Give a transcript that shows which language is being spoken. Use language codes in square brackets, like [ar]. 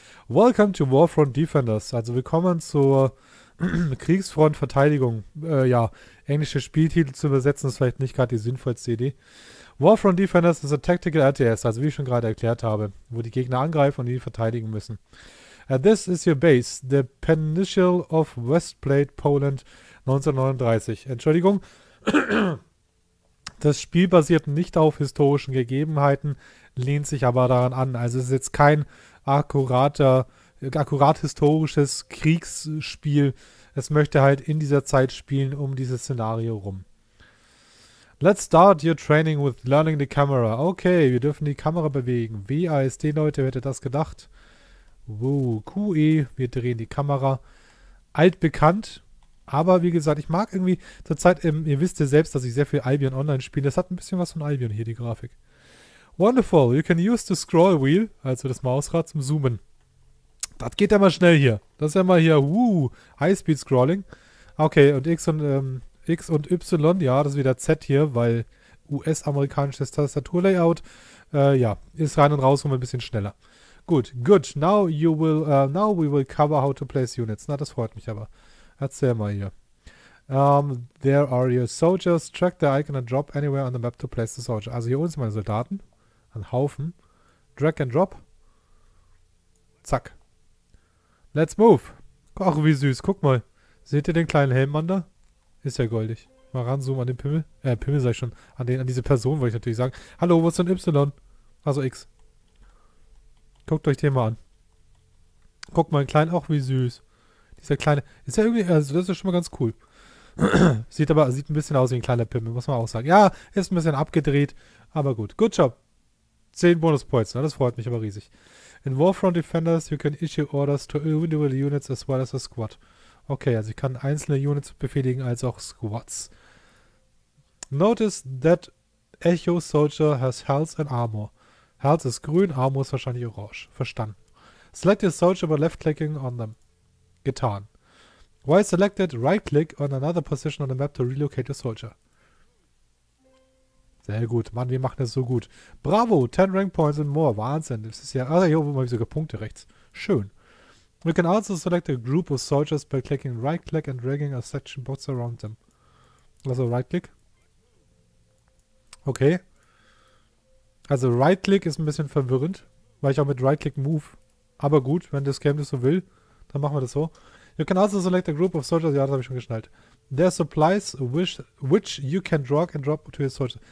[en] Welcome to Warfront Defenders. [de] Also willkommen zur Kriegsfront Verteidigung. Englische Spieltitel zu übersetzen ist vielleicht nicht gerade die sinnvollste Idee. Warfront Defenders ist ein Tactical RTS, also wie ich schon gerade erklärt habe, wo die Gegner angreifen und die verteidigen müssen. [en] This is your base, the Peninsula of Westplate, Poland, 1939. [de] Entschuldigung, das Spiel basiert nicht auf historischen Gegebenheiten, lehnt sich aber daran an. Also es ist jetzt kein akkurat historisches Kriegsspiel. Es möchte halt in dieser Zeit spielen, um dieses Szenario rum. [en] Let's start your training with learning the camera. [de] Okay, wir dürfen die Kamera bewegen. WASD, Leute, wer hätte das gedacht? Wow, QE, wir drehen die Kamera. Altbekannt, aber wie gesagt, ich mag irgendwie zur Zeit, ihr wisst ja selbst, dass ich sehr viel Albion Online spiele. Das hat ein bisschen was von Albion hier, die Grafik. [en] Wonderful, you can use the scroll wheel, [de] also das Mausrad zum Zoomen. Das geht ja mal schnell hier. Das ist ja mal hier, High-Speed-Scrolling. Okay, und X und Y, ja, das ist wieder Z hier, weil US-amerikanisches Tastaturlayout, ist rein und raus rum ein bisschen schneller. Gut, good. [en] Now we will cover how to place units. [de] Na, das freut mich aber. Erzähl mal hier. [en] There are your soldiers. Track the icon and drop anywhere on the map to place the soldier. [de] Also hier unten sind meine Soldaten. Ein Haufen. Drag and drop. Zack. [en] Let's move. [de] Ach, wie süß. Guck mal. Seht ihr den kleinen Helmmann da? Ist ja goldig. Mal ranzoomen an den Pimmel. Pimmel sag ich schon. An diese Person wollte ich natürlich sagen. Hallo, wo ist denn Y? Also X. Guckt euch den mal an. Guckt mal, ein kleiner, auch wie süß. Dieser kleine, ist ja irgendwie, also das ist schon mal ganz cool. sieht ein bisschen aus wie ein kleiner Pimmel, muss man auch sagen. Ja, ist ein bisschen abgedreht, aber gut. [en] Good job. 10 Bonuspoints, [de] das freut mich aber riesig. [en] In Warfront Defenders, you can issue orders to individual units as well as a squad. [de] Okay, also ich kann einzelne Units befehligen als auch Squads. [en] Notice that Echo Soldier has health and armor. [de] Herz ist grün, Armor ist wahrscheinlich orange. Verstanden. [en] Select your soldier by left-clicking on them. [de] Getan. [en] While selected, right-click on another position on the map to relocate your soldier. [de] Sehr gut. Mann, wir machen das so gut. Bravo, 10 rank points and more. Wahnsinn. Das ist ja, ah, hier oben habe ich sogar Punkte rechts. [en] Schön. We can also select a group of soldiers by clicking right-click and dragging a section box around them. Also right-click. Okay. [de] Also Right-Click ist ein bisschen verwirrend, weil ich auch mit Right-Click move. Aber gut, wenn das Game das so will, dann machen wir das so. [en] You can also select a group of soldiers. [de] Ja, das habe ich schon geschnallt. [en] There are supplies which you can drag and drop to your soldiers.